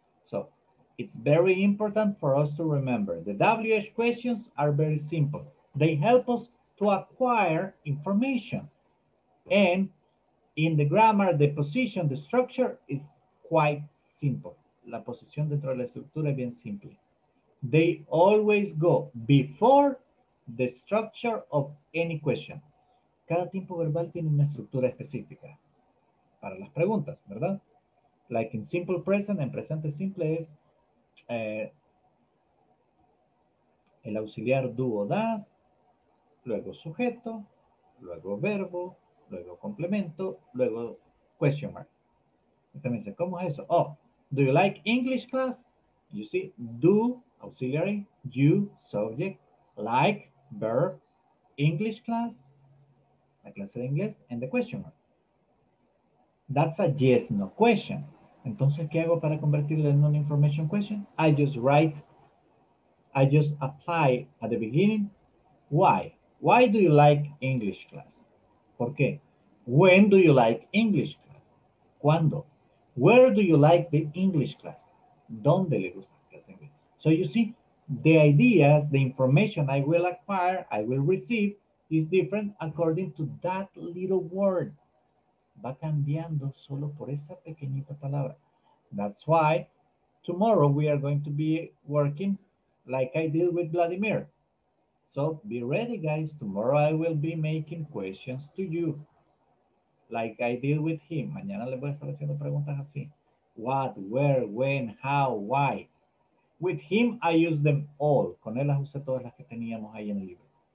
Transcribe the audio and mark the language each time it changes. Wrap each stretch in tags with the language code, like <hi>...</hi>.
<en>So, it's very important for us to remember. The WH questions are very simple. They help us to acquire information. And in the grammar, the position, the structure is quite simple.</en> <es>La posición dentro de la estructura es bien simple.</es> <en>They always go before the structure of any question.</en> <es>Cada tiempo verbal tiene una estructura específica para las preguntas, ¿verdad?</es> <en>Like in simple present,</en> <es>en presente simple es el auxiliar do o does, luego sujeto, luego verbo, luego complemento, luego question mark. Usted me dice, ¿cómo es eso?</es> <en>Oh, do you like English class? You see, do, auxiliary, you, subject, like, verb, English class,</en> <es>la clase de inglés,</es> <en>and the question mark. That's a yes, no question.</en> <es>Entonces, ¿qué hago para convertirlo en non-information question?</es> <en>I just write, I just apply at the beginning, why? Why do you like English class?</en> <es>¿Por qué?</es> <en>When do you like English class?</en> <es>¿Cuándo?</es> <en>Where do you like the English class?</en> <es>¿Dónde le gusta la clase de inglés?</es> <en>So you see, the ideas, the information I will acquire, I will receive, is different according to that little word.</en> <es>Va cambiando solo por esa pequeñita palabra.</es> <en>That's why tomorrow we are going to be working like I did with Vladimir. So be ready, guys. Tomorrow I will be making questions to you like I did with him.</en> <es>Mañana le voy a estar haciendo preguntas así.</es> <en>What, where, when, how, why. With him, I use them all.</en> <es>Con él las usé todas las que teníamos ahí en el libro.</es>